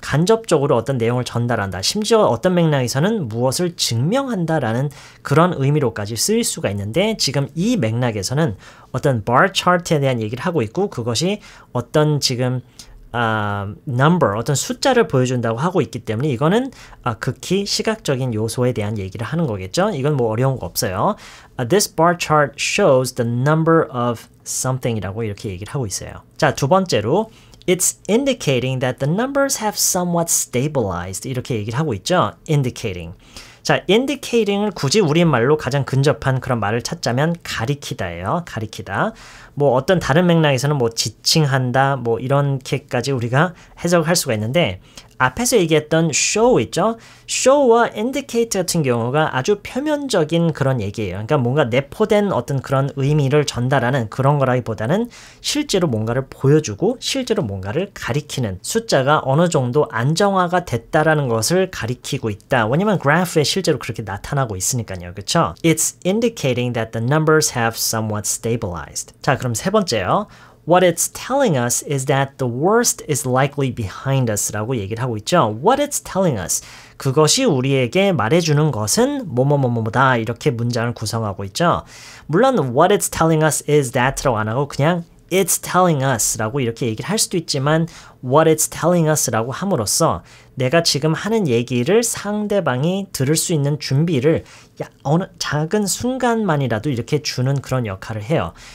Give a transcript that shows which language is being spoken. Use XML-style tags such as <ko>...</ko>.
<ko>간접적으로 어떤 내용을 전달한다. 심지어 어떤 맥락에서는 무엇을 증명한다라는 그런 의미로까지 쓰일 수가 있는데 지금 이 맥락에서는 어떤 bar chart에 대한 얘기를 하고 있고 그것이 어떤 지금 number, 어떤 숫자를 보여준다고 하고 있기 때문에 이거는 극히 시각적인 요소에 대한 얘기를 하는 거겠죠? 이건 뭐 어려운 거 없어요.</ko> <en>This bar chart shows the number of something이라고</en> <ko>이렇게 얘기를 하고 있어요. 자, 두 번째로</ko> <en>It's indicating that the numbers have somewhat stabilized.</en> <ko>이렇게 얘기를 하고 있죠? Indicating. 자, indicating을 굳이 우리말로 가장 근접한 그런 말을 찾자면 가리키다예요. 가리키다. 뭐 어떤 다른 맥락에서는 뭐 지칭한다, 뭐 이렇게까지 우리가 해석할 수가 있는데 앞에서 얘기했던 show 있죠? show와 indicate 같은 경우가 아주 표면적인 그런 얘기예요. 그러니까 뭔가 내포된 어떤 그런 의미를 전달하는 그런 거라기보다는 실제로 뭔가를 보여주고 실제로 뭔가를 가리키는 숫자가 어느 정도 안정화가 됐다라는 것을 가리키고 있다. 왜냐면 graph에 실제로 그렇게 나타나고 있으니까요. 그쵸?</ko> <en>It's indicating that the numbers have somewhat stabilized.</en> <ko>자, 그럼 세 번째요.</ko> <en>What it's telling us is that the worst is likely behind us</en> <ko>라고 얘기를 하고 있죠.</ko> <en>What it's telling us.</en> <ko>그것이 우리에게 말해주는 것은 뭐뭐뭐뭐다 이렇게 문장을 구성하고 있죠. 물론</ko> <en>what it's telling us is that</en> <ko>라고 안 하고 그냥</ko> <en>it's telling us</en> <ko>라고 이렇게 얘기를 할 수도 있지만</ko> <en>what it's telling us</en> <ko>라고 함으로써 내가 지금 하는 얘기를 상대방이 들을 수 있는 준비를 야, 어느 작은 순간만이라도 이렇게 주는 그런 역할을 해요.</ko>